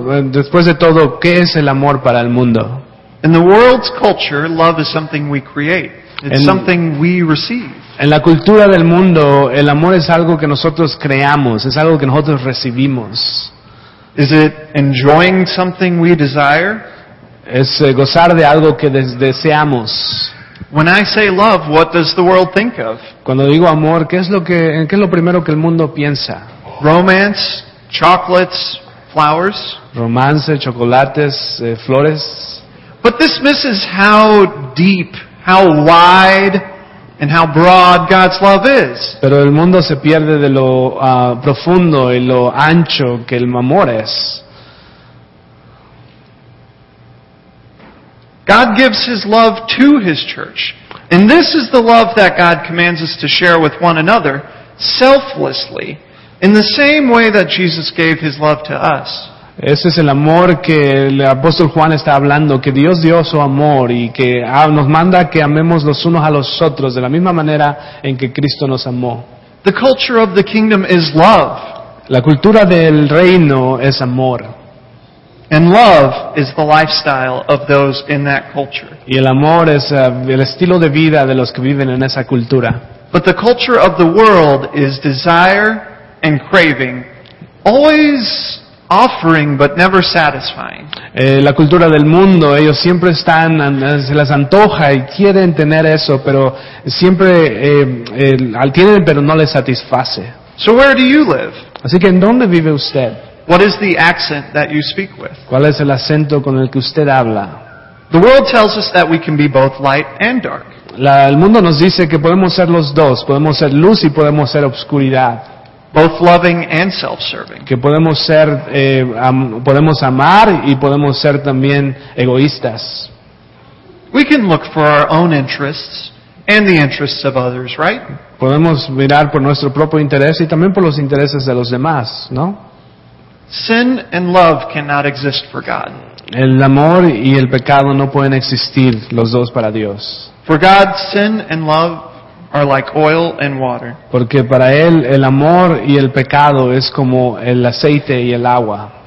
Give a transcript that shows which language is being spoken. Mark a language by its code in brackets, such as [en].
[es] Después de todo, ¿qué es el amor para el mundo? [en] In the world's culture, love is something we create. It's something we receive. [es] En la cultura del mundo, el amor es algo que nosotros creamos, es algo que nosotros recibimos. [en] Is it enjoying something we desire? [es] Es gozar de algo que deseamos. [en] When I say love, what does the world think of? [es] Cuando digo amor, ¿qué es lo primero que el mundo piensa? [en] Romance, chocolates, flowers. [es] Romance, chocolates, flores. [en] But this misses how deep, how wide, and how broad God's love is. [es] Pero el mundo se pierde de lo profundo y lo ancho que el amor es. [en] God gives his love to his church. And this is the love that God commands us to share with one another, selflessly, in the same way that Jesus gave his love to us. [es] Ese es el amor que el apóstol Juan está hablando, que Dios dio su amor y que nos manda que amemos los unos a los otros de la misma manera en que Cristo nos amó. [en] The culture of the kingdom is love. [es] La cultura del reino es amor. [en] And love is the lifestyle of those in that culture. [es] Y el amor es el estilo de vida de los que viven en esa cultura. [en] But the culture of the world is desire and craving, always offering but never satisfying. [es] La cultura del mundo, ellos siempre están, se les antoja y quieren tener eso, pero siempre tienen, pero no les satisface. [en] So where do you live? [es] Así que, ¿en dónde vive usted? [en] What is the accent that you speak with? [es] ¿Cuál es el acento con el que usted habla? [en] The world tells us that we can be both light and dark. [es] El mundo nos dice que podemos ser los dos, podemos ser luz y podemos ser oscuridad. [en] Both loving and self-serving. [es] Que podemos ser, podemos amar y podemos ser también egoístas. [en] We can look for our own interests and the interests of others, right? [es] Podemos mirar por nuestro propio interés y también por los intereses de los demás, ¿no? [en] Sin and love cannot exist for God. [es] El amor y el pecado no pueden existir los dos para Dios. [en] For God, sin and love are like oil and water. [es] Porque para él el amor y el pecado es como el aceite y el agua.